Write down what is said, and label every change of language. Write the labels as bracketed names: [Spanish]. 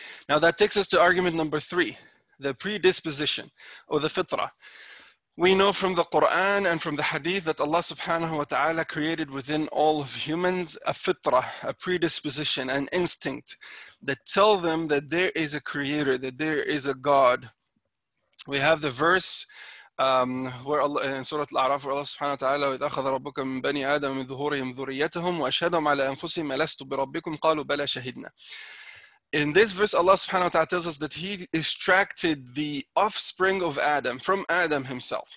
[English] Now that takes us to argument number three, the predisposition or the fitrah. We know from the Quran and from the hadith that Allah subhanahu wa ta'ala created within all of humans a fitrah, a predisposition, an instinct that tell them that there is a creator, that there is a God. We have the verse where Allah, in Surah Al-A'raf, where Allah subhanahu wa ta'ala, [Arabic] وَإِذَخَذَ رَبُّكَ مِنْ بَنِي آدَمَ مِنْ ذُهُورِهِمْ ذُرِّيَّتَهُمْ وَأَشْهَدَهُمْ عَلَىٰ أَنفُسِهِمْ أَلَسْتُ بِرَبِّكُمْ قَالُوا بَلَىٰ شَهِدْنَا. [English] In this verse, Allah subhanahu wa ta'ala tells us that He extracted the offspring of Adam from Adam himself.